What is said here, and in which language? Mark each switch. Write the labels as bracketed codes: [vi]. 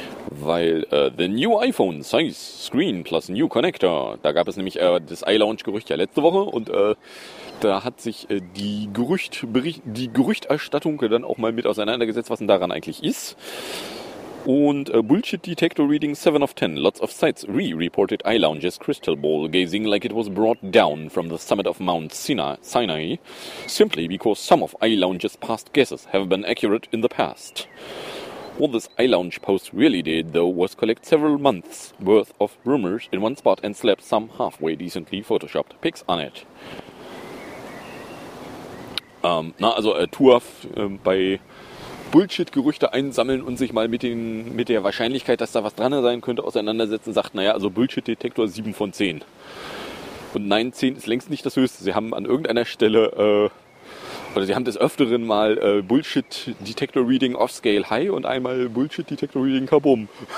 [de] Weil [en] the new iPhone size screen plus new connector. [de] Da gab es nämlich das iLaunch-Gerücht ja letzte Woche und da hat sich die Gerüchterstattung dann auch mal mit auseinandergesetzt, was denn daran eigentlich ist. Und [en] Bullshit Detector Reading 7 of 10. Lots of sites re-reported iLaunch's crystal ball gazing like it was brought down from the summit of Mount Sinai simply because some of iLaunch's past guesses have been accurate in the past. All this iLaunch post really did, though, was collect several months' worth of rumors in one spot and slap some halfway decently photoshopped pics on it. [de] Tuaf bei Bullshit-Gerüchte einsammeln und sich mal mit der Wahrscheinlichkeit, dass da was dran sein könnte, auseinandersetzen, sagt, naja, also Bullshit-Detektor 7 von 10. Und nein, 10 ist längst nicht das Höchste. Sie haben an irgendeiner Stelle, oder sie haben des Öfteren mal [en] Bullshit-Detector-Reading off-scale high [de] und einmal [en] Bullshit-Detector-Reading kaboom.